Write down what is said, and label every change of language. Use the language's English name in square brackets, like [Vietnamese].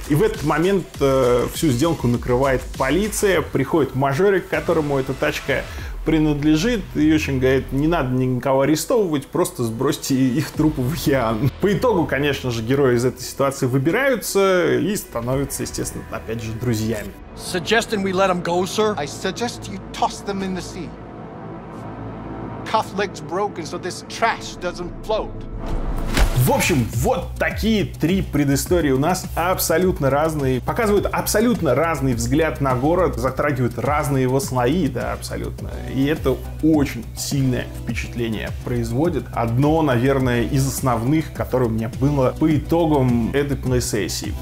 [Russian] И в этот момент всю сделку накрывает полиция, приходит мажорик, которому эта тачка принадлежит, и очень говорит, не надо никого арестовывать, просто сбросьте их трупы в океан. По итогу, конечно же, герои из этой ситуации выбираются и становятся, естественно, опять же, друзьями. [English] Suggesting we let them go, sir? I suggest you toss them in the sea. Cuff legs broken, so this trash doesn't float. [Russian] В общем, вот такие три предыстории у нас абсолютно разные. Показывают абсолютно разный взгляд на город, затрагивают разные его слои, да, абсолютно. И это очень сильное впечатление производит. Одно, наверное, из основных, которое у меня было по итогам этой плейсессии.